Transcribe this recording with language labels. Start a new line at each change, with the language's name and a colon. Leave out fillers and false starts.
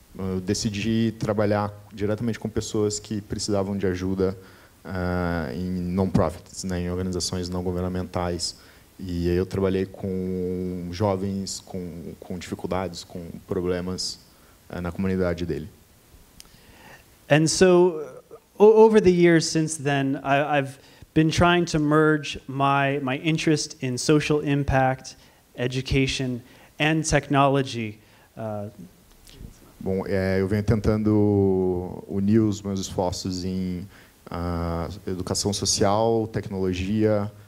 Portuguese: Eu decidi trabalhar diretamente com pessoas que precisavam de ajuda em non-profits, né, em organizações não governamentais. E eu trabalhei com jovens com dificuldades, com problemas na comunidade dele.
English: And so over the years since then, I've been trying to merge my interest in social impact, education, and technology.
Portuguese: Bom, eu venho tentando unir os meus esforços em educação social, tecnologia,